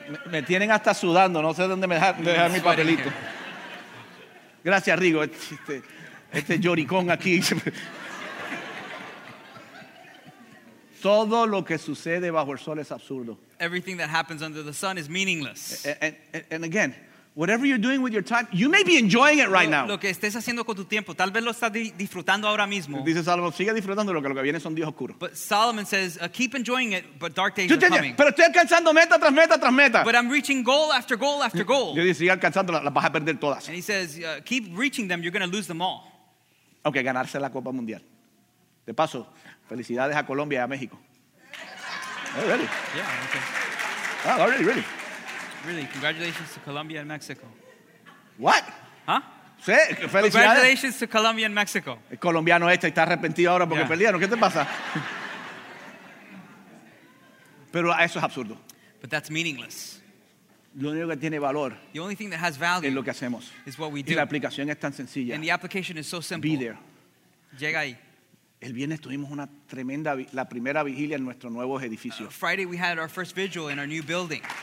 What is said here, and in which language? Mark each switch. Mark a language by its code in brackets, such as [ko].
[es] me tienen hasta sudando, no sé dónde me dejar mi papelito. Gracias, Rigo. Este lloricón aquí. Todo lo que sucede bajo el sol es absurdo. [en] Everything that happens under the sun is meaningless. And again, whatever you're doing with your time, you may be enjoying it right now. [es] Lo que estés haciendo con tu tiempo, tal vez lo estás disfrutando ahora mismo. Dice Salomón, sigue disfrutando lo que viene son días oscuros. [en] But Solomon says, keep enjoying it, but dark days are coming. [es] Pero estoy alcanzando meta tras meta tras meta. [en] But I'm reaching goal after goal after goal. [es] Yo dije, sigue alcanzando, las vas a perder todas. [en] And he says, keep reaching them, you're going to lose them all. [es] Okay, ganarse la Copa Mundial. De paso, felicidades a Colombia y a México. [en] Oh, really? Yeah, okay. Oh, really, really. Really, congratulations to Colombia and Mexico. What? Huh? [es] Sí, felicidades. [en] Congratulations to Colombia and Mexico. [es] El colombiano este está arrepentido ahora porque perdieron. ¿Qué te pasa? Pero eso es absurdo. [en] But that's meaningless. [es] Lo único que tiene valor [en] the only thing that has value [es] es lo que hacemos. [en] Is what we do. [es] Y la aplicación es tan sencilla. [en] And the application is so simple. Be there. [es] Llega ahí. El viernes tuvimos una tremenda la primera vigilia en nuestro nuevo edificio. [en] Friday we had our first vigil in our new building.